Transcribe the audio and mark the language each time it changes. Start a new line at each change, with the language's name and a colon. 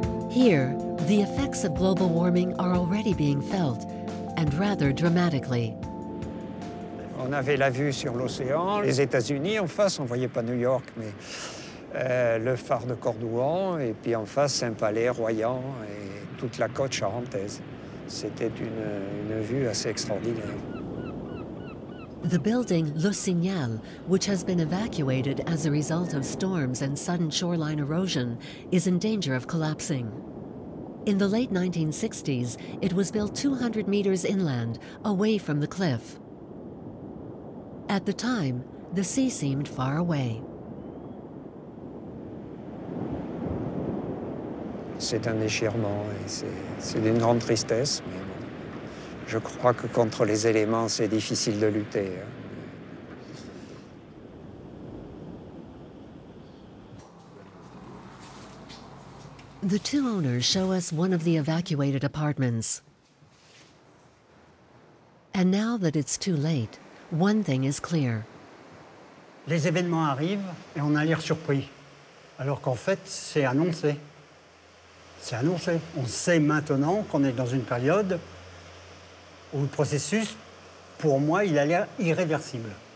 English: Here, the effects of global warming are already being felt, and rather dramatically.
French: On avait la vue sur l'océan, les États-Unis en face, on voyait pas New York, mais le phare de Cordouan, et puis en face Saint-Palais, Royan, et toute la côte charentaise. C'était une vue assez extraordinaire.
English: The building Le Signal, which has been evacuated as a result of storms and sudden shoreline erosion, is in danger of collapsing. In the late 1960s, it was built 200 meters inland, away from the cliff. At the time, the sea seemed far away.
French: C'est un déchirement et c'est d'une grande tristesse. Mais... je crois que contre les éléments, c'est difficile de lutter.
English: The two owners show us one of the evacuated apartments. And now that it's too late, one thing is clear.
French: Les événements arrivent et on a l'air surpris. Alors qu'en fait, c'est annoncé. C'est annoncé. On sait maintenant qu'on est dans une période où le processus, pour moi, il a l'air irréversible.